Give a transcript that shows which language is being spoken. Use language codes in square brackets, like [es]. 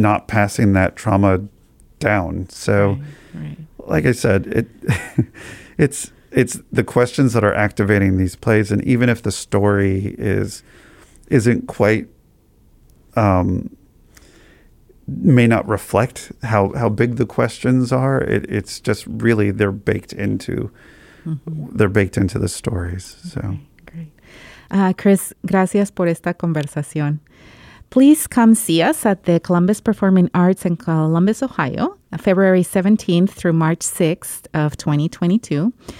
[en] Not passing that trauma down. So like I said, it's the questions that are activating these plays, and even if the story isn't quite may not reflect how big the questions are, it's just really they're baked into the stories. So great. [es] Chris, gracias por esta conversación. [en] Please come see us at the Columbus Performing Arts in Columbus, Ohio, February 17th through March 6th of 2022.